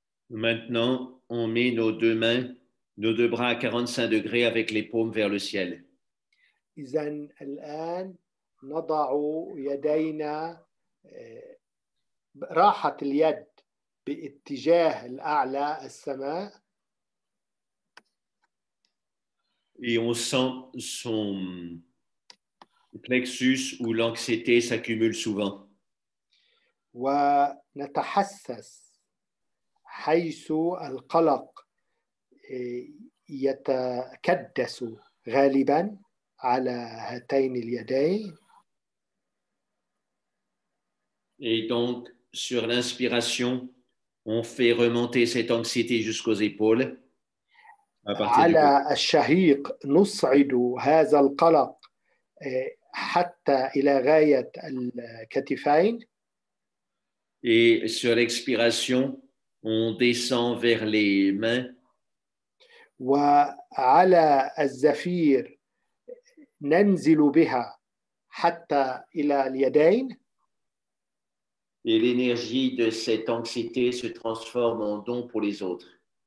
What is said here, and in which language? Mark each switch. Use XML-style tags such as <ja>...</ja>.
<fr>Maintenant, on met nos deux mains, nos deux bras à 45 degrés avec les paumes vers le ciel.</fr> <ar>إذن الآن نضع يدينا راحة اليد باتجاه الأعلى السماء.</ar> <fr>Et on sent son plexus où l'anxiété s'accumule souvent.</fr> <ar>ونتحسس حيث القلق يتكدس غالبا على هاتين اليدين.</ar> <fr>Et donc sur l'inspiration on fait remonter cette anxiété jusqu'aux épaules.</fr> <ar>على الشهيق نصعد هذا القلق حتى الى غاية الكتفين.</ar> <fr>Et sur l'expiration on descend vers les mains.</fr> <ar>وعلى الزفير ننزل بها حتى إلى اليدين.</ar> <fr>Et l'énergie de cette anxiété se transforme en don pour les autres.</fr>